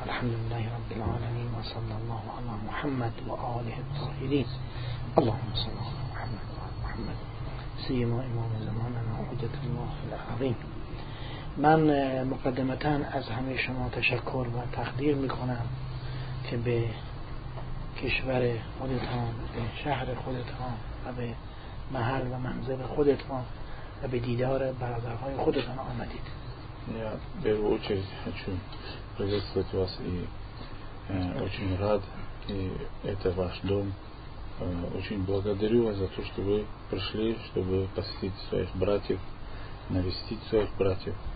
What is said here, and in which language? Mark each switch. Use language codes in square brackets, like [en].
[ar] الحمد لله رب العالمين وصلى الله على محمد وآله الطاهرين. اللهم صل على محمد وعلى محمد سيما إمام زماننا وحجة الله في العظيم. [fa] من مقدمتا از همه شما تشکر و تقدیر میکنم که به کشور خودتان، به شهر خودتان و به محل و منزل خودتان و به دیدار برادرهای خودتان آمدید. [ru] Я очень хочу приветствовать вас и очень рад, и это ваш дом. Очень благодарю вас за то, что вы пришли, чтобы посетить своих братьев, навестить своих братьев.